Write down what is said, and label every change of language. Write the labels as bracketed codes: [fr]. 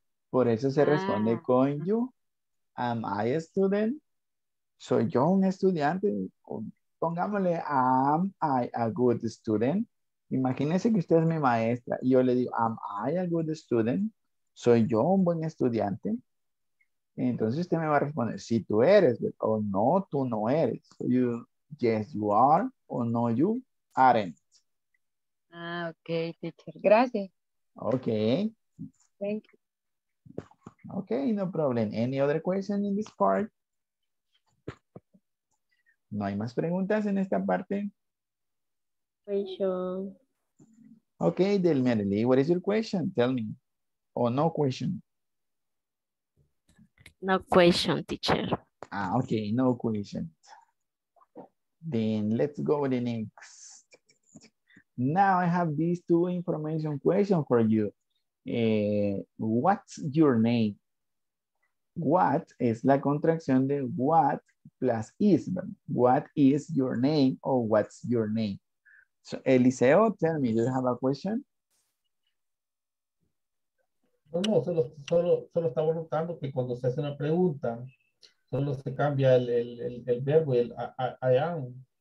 [es] Por eso se responde con you. [en] Am I a student? [es] ¿Soy yo un estudiante? O, pongámosle, [en] am I a good student? [es] Imagínese que usted es mi maestra y yo le digo, [en] am I a good student? [es] ¿Soy yo un buen estudiante? Entonces usted me va a responder si tú eres o no, tú no eres. [en] So you, yes, you are o no, you aren't. Ah, ok, teacher. Gracias. Ok. Thank you. Ok, no problem. Any other question in this part? [es] ¿No hay más preguntas en esta parte? [en] Question. Ok, Delmerly, what is your question? Tell me. Oh, no question. No question, teacher. Ah, ok, no question. Then let's go with the next. Now I have these two information questions for you. What's your name? [es] What es la contracción de what plus is. [en] What is your name or what's your name? So, Eliseo, tell me, do you have a question? [es] No, no, solo estaba notando que cuando se hace una pregunta, solo se cambia el verbo, el I am.